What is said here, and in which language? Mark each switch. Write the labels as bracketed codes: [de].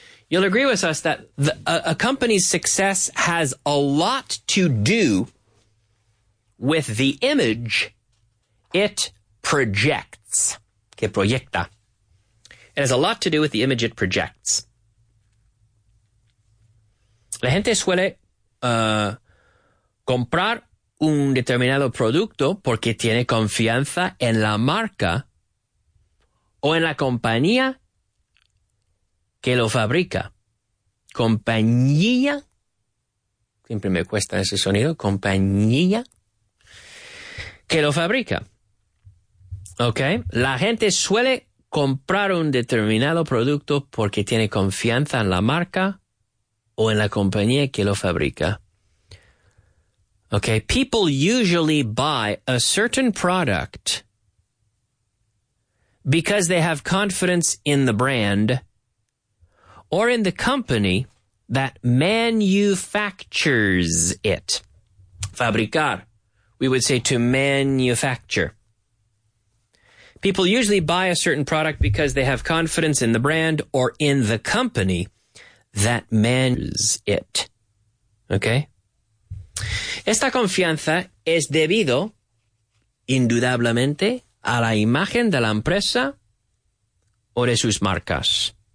[en] You'll agree with us that a company's success has a lot to do with the image it projects. [es] Que proyecta. [en] It has a lot to do with the image it projects. [es] La gente suele comprar un determinado producto porque tiene confianza en la marca o en la compañía que lo fabrica. Compañía. Siempre me cuesta ese sonido. Compañía. Que lo fabrica. Ok. La gente suele comprar un determinado producto porque tiene confianza en la marca o en la compañía que lo fabrica. Ok. [en] People usually buy a certain product because they have confidence in the brand or in the company that manufactures it. Fabricar. We would say to manufacture. People usually buy a certain product because they have confidence in the brand or in the company that manufactures it. Okay? [es] Esta confianza es debido, indudablemente, a la imagen de la empresa o de sus marcas.